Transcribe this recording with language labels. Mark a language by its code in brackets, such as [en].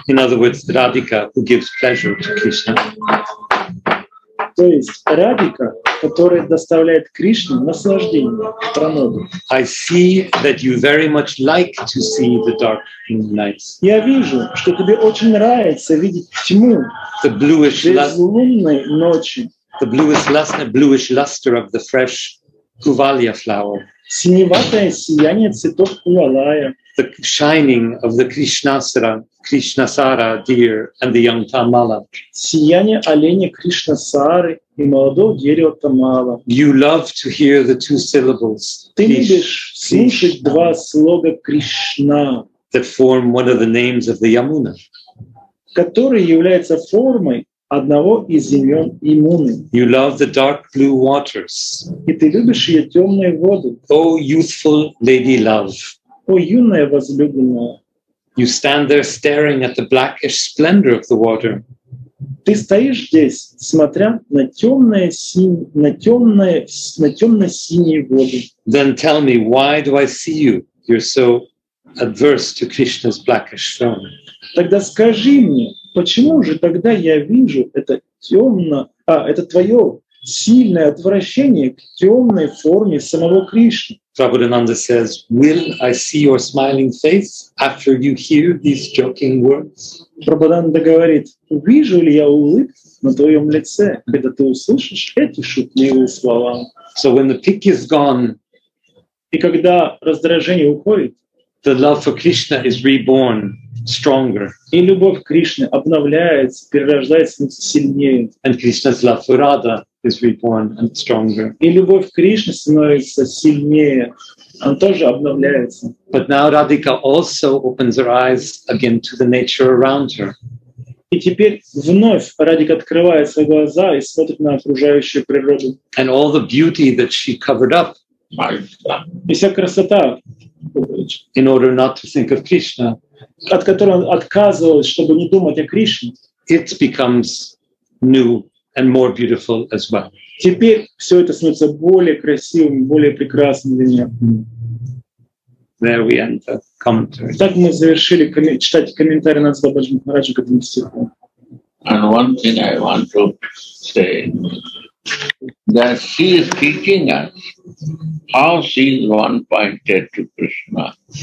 [en] In other words, Радика, who gives pleasure to Krishna. [ru] То есть Радика, которая доставляет Кришне наслаждение, Прамоду. [en] I see that you very much like to see the dark nights. [ru] Я вижу, что тебе очень нравится видеть тьму. [en] The bluish [ru] безлунной ночи. [en] The bluish luster of the fresh Кувалья flower. [ru] Синеватое сияние цветов Кувалая. [en] The shining of the Krishnasara, Krishnasara deer and the young Tamala. [ru] Сияние оленя Кришнасары и молодого дерева Тамала. [en] You love to hear the two syllables. [ru] Ты любишь слушать два слога Кришна. [en] That form one of the names of the Yamuna. [ru] Который является формой одного из имен Имуны. [en] You love the dark blue waters. [ru] И ты любишь ее темные воды. [en] Oh, youthful lady love. [ru] О, юная возлюбленная. [en] You stand there staring at the blackish splendor of the water. [ru] Ты стоишь здесь, смотря на темно-синие воды. [en] Then tell me, why do I see you? You're so adverse to Krishna's blackish throne. [ru] Тогда скажи мне, почему же тогда я вижу это темно, это твое сильное отвращение к темной форме самого Кришны. [en] Prabhupada says, will I see your smiling face after you hear these joking words? [ru] Prabhupada говорит, увижу ли я улыбку на твоем лице, когда ты услышишь эти шутливые слова? [en] So when the pique is gone, [ru] и когда раздражение уходит, [en] the love for Krishna is reborn stronger. [ru] И любовь к Кришне обновляется, перерождается сильнее. [en] And Krishna's love for Radha is reborn and stronger. [ru] И любовь к Кришне становится сильнее, она тоже обновляется. [en] But now Radhika also opens her eyes again to the nature around her. [ru] И теперь вновь Радика открывает свои глаза и смотрит на окружающую природу. [en] And all the beauty that she covered up. [ru] И вся красота. [en] In order not to think of Krishna. [ru] От которой он отказывался, чтобы не думать о Кришне. [en] It becomes new. And more beautiful as well. [ru] Теперь все это становится более красивым, более прекрасным для меня. [en] There we end the commentary. [ru] Так мы завершили читать комментарий на Свободный Махарадж к этому стиху. [en] And one thing I want to say that she is teaching us how she is one pointed to Krishna.